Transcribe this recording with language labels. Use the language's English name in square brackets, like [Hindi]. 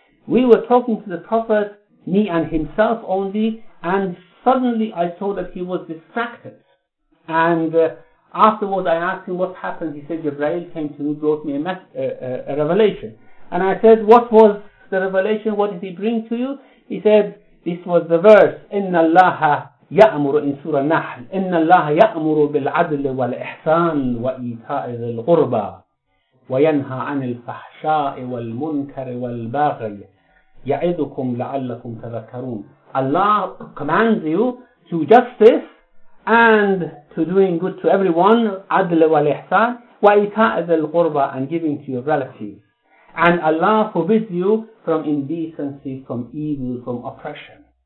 [English] We were talking to the Prophet, me and himself only, and suddenly I saw that he was distracted. And afterwards I asked him what happened. He said, Jibreel came to me, brought me a revelation. And I said, what was the revelation? What did he bring to you? He said, this was the verse, [Arabic] إِنَّ اللَّهَ يَأْمُرُ [English] in Surah Nahl, [Arabic] إِنَّ اللَّهَ يَأْمُرُ بِالْعَدْلِ وَالْإِحْسَانِ وَإِيْتَاءِ ذِي الْغُرْبَى وَيَنْهَى عَنِ الْفَحْشَاءِ وَالْمُنْكَرِ وَالْبَغْيِ يَعِذُكُمْ لَعَلَّكُمْ تَذَكَّرُونَ. [English] Allah commands you to justice and to doing good to everyone, [Arabic] عدل والإحسان, وإيتاء ذي القربى, [English] and giving to your relatives. And Allah forbids you from indecency, from evil, from oppression.